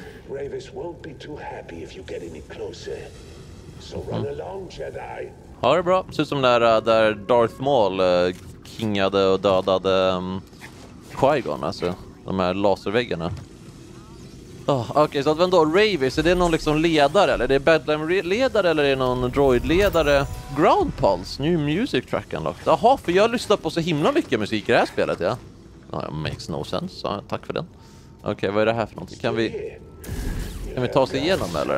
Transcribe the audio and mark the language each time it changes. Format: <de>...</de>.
<en>Ravis won't be too happy if you get any closer. So run along, Jedi.</en> <sv>Ha det bra. Ser ut som där Darth Maul kingade och dödade Qui-Gon, alltså. De här laserväggarna. Okej, så att vem då? Ravis, är det någon liksom ledare? Eller är det Bedlam-ledare? Eller är det någon droid-ledare?</sv> <en>Ground Pulse, new music track unlocked.</en> <sv>Jaha, för jag har lyssnat på så himla mycket musik i det här spelet, ja.</sv> <en>Makes no sense.</en> <sv>Tack för den. Okej, vad är det här för någonting? Kan vi ta oss igenom det, eller?</sv>